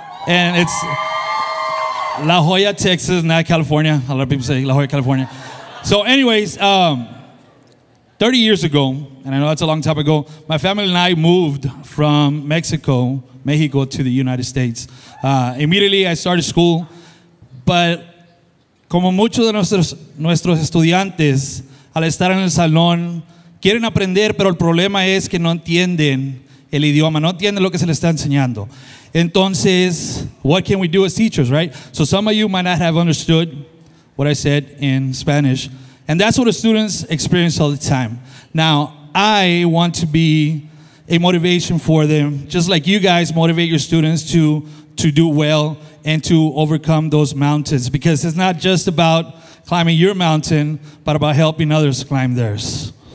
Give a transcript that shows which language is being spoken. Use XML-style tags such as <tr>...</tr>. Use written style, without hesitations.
<en>And it's La Jolla, Texas, not California. A lot of people say La Jolla, California. So anyways, 30 years ago, and I know that's a long time ago, my family and I moved from Mexico to the United States. Immediately, I started school.</en> <es>But como muchos de nuestros estudiantes, al estar en el salón, quieren aprender, pero el problema es que no entienden el idioma, no entienden lo que se les está enseñando.</es> <en>Entonces, what can we do as teachers, right? So some of you might not have understood what I said in Spanish. And that's what the students experience all the time. Now, I want to be a motivation for them, just like you guys motivate your students to do well and to overcome those mountains. Because it's not just about climbing your mountain, but about helping others climb theirs.</en>